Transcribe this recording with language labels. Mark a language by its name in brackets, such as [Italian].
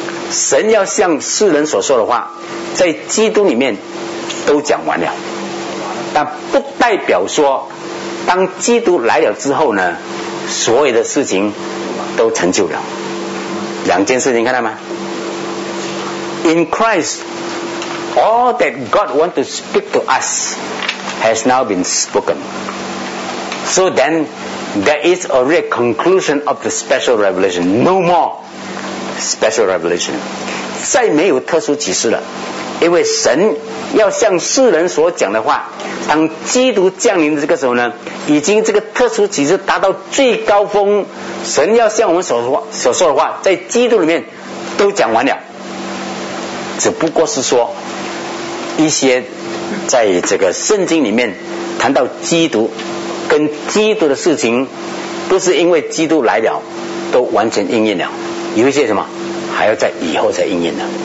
[Chinese] 神要向世人所说的话在基督里面都讲完了，但不代表说当基督来了之后呢，所有的事情都成就了。两件事情看到吗？ [English] In Christ all that God want to speak to us has now been spoken, so then there is a real conclusion of the special revelation, no more special revelation, [Chinese] 再没有特殊启示了。因为神要向世人所讲的话，当基督降临的这个时候呢，已经这个特殊启示达到最高峰，神要向我们所说的话在基督里面都讲完了。只不过是说一些在这个圣经里面谈到基督跟基督的事情，不是因为基督来了都完全应验了，有一些什么还要在以后才应验的。